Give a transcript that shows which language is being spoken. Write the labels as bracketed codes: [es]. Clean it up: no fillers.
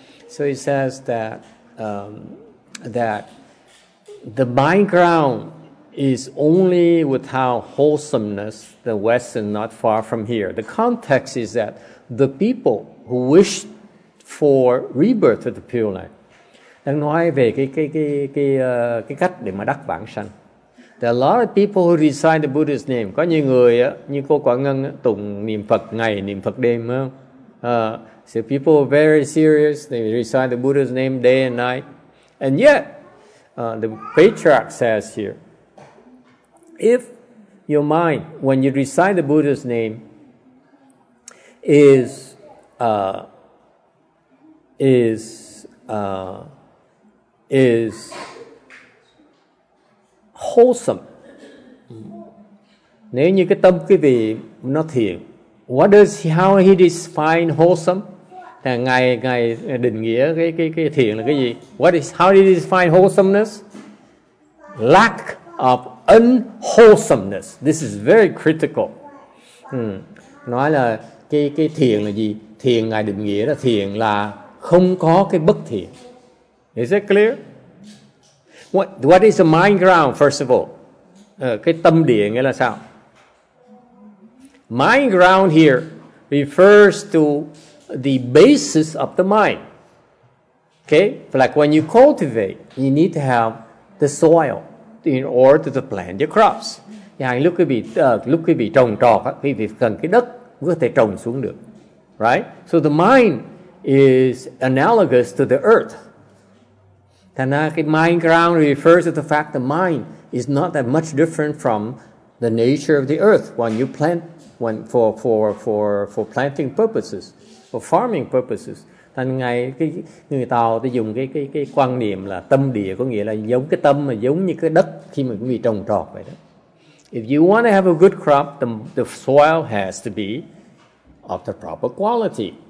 [en] So he says that that the mind ground is only without wholesomeness. The West is not far from here. The context is that the people who wish for rebirth of the Pure Land. [vi] Đang nói về cái cách để mà đắc vãng sanh. [en] There are a lot of people who recite the Buddha's name. [vi] Có nhiều người á, như cô Quả Ngân á, tụng niệm Phật ngày, niệm Phật đêm, phải không? [en] So people are very serious. They recite the Buddha's name day and night. And yet, the patriarch says here, if your mind, when you recite the Buddha's name, is wholesome. [vi] Nếu như cái tâm quý vị nó thiện. [en] What does how he define wholesome? [vi] Ngài định nghĩa cái thiện là cái gì? [en] How did he define wholesomeness? Lack of unwholesomeness. This is very critical. [vi] Nói là cái thiện là gì? Thiện ngài định nghĩa là thiện là không có cái bất thiện. [en] Is that clear? What is the mind ground first of all? [vi] Cái tâm địa nghĩa là sao? [en] Mind ground here refers to the basis of the mind. Okay? Like when you cultivate, you need to have the soil in order to plant your crops. [vi] Yeah, lúc quý vị trồng trọt, quý vị cần cái đất có thể trồng xuống được. [en] Right? So the mind is analogous to the earth. [vi] Thành ra cái [en] mind ground refers to the fact the mind is not that much different from the nature of the earth when you plant, when for planting purposes, for farming purposes. [vi] Thành ngày cái người Tàu thì dùng cái quan niệm là tâm địa, có nghĩa là giống cái tâm mà giống như cái đất khi mà quý vị trồng trọt vậy đó. [en] If you want to have a good crop, the soil has to be of the proper quality.